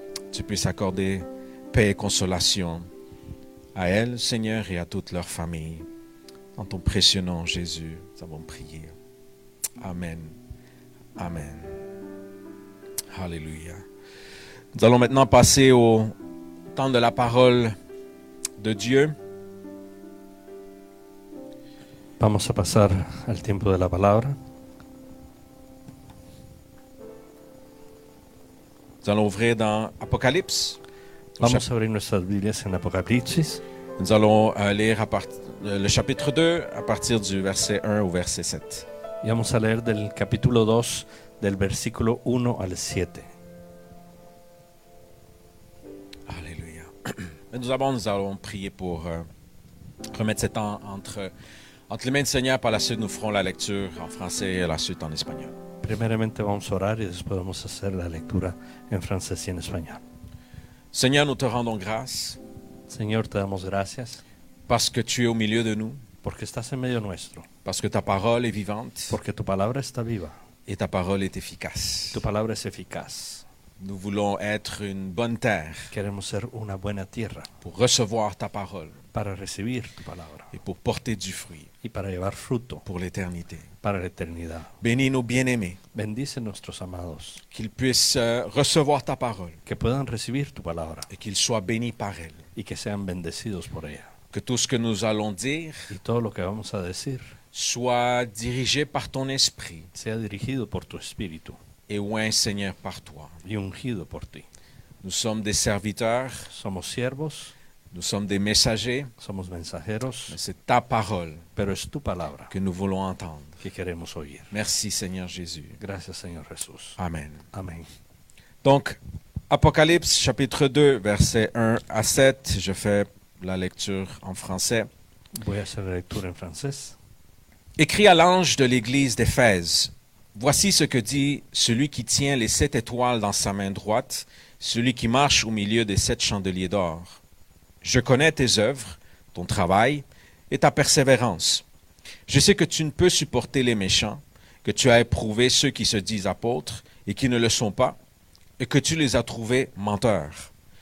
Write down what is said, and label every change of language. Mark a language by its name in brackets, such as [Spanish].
[French] Tu puisses accorder paix et consolation à elles, Seigneur, et à toute leur famille. En ton précieux nom, Jésus, nous avons prié. Amen. Amen. Alléluia. Nous allons maintenant passer au temps de la parole de Dieu. [Spanish] Vamos a pasar al tiempo de la palabra. [French] Nous allons ouvrir dans Apocalypse. [Spanish] Vamos a abrir nuestras Biblias en Apocalipsis. [French] Nous allons lire le chapitre 2 à partir du verset 1 au verset 7. [Spanish] Y vamos a leer del capítulo 2 del versículo 1 al 7. [French] Alléluia. Mais nous avons, nous allons prier pour remettre ce temps entre les mains du Seigneur, par la suite nous ferons la lecture en français et la suite en espagnol. [Spanish] Primeramente vamos a orar y después vamos a hacer la lectura en francés y en español. [French] Seigneur, nous te rendons grâce. [Spanish] Seigneur, te damos gracias. [French] Parce que tu es au milieu de nous. [Spanish] Porque estás en medio nuestro. [French] Parce que ta parole est vivante. [Spanish] Porque tu palabra está viva. [French] Et ta parole est efficace. [Spanish] Tu palabra es eficaz. [French] Nous voulons être une bonne terre. [Spanish] Queremos ser una buena tierra. [French] Pour recevoir ta parole. [Spanish] Para recibir tu palabra. [French] Et pour porter du fruit. [Spanish] Y para llevar fruto. [French] Pour l'éternité. [Spanish] Para la eternidad. [French] Bénis nos bien-aimés. [Spanish] Bendice nuestros amados. [French] Qu'ils puissent recevoir ta parole. [Spanish] Que puedan recibir tu palabra. [French] Et qu'ils soient bénis par elle. [Spanish] Y que sean bendecidos por ella. [French] Que tout ce que nous allons dire. [Spanish] Y todo lo que vamos a decir. [French] Soit dirigé par ton esprit. [Spanish] Sea dirigido por tu espíritu. [French] Et oint, Seigneur, par toi. [Spanish] Y ungido por ti. [French] Nous sommes des serviteurs. [Spanish] Somos siervos. [French] Nous sommes des messagers. [Spanish] Somos mensajeros. [French] Mais c'est ta parole. [Spanish] Pero es tu palabra. [French] Que nous voulons entendre. [Spanish] Que queremos oír. [French] Merci, Seigneur Jésus. [Spanish] Gracias, Señor Jesús. Amen. Amen. [French] Donc, Apocalypse, chapitre 2, versets 1 à 7. Je fais la lecture en français. [Spanish] Voy a hacer la lectura en francés. [French] Écrit à l'ange de l'église d'Éphèse. Voici ce que dit celui qui tient les sept étoiles dans sa main droite, celui qui marche au milieu des sept chandeliers d'or. Je connais tes œuvres, ton travail et ta persévérance. Je sais que tu ne peux supporter les méchants, que tu as éprouvé ceux qui se disent apôtres et qui ne le sont pas, et que tu les as trouvés menteurs.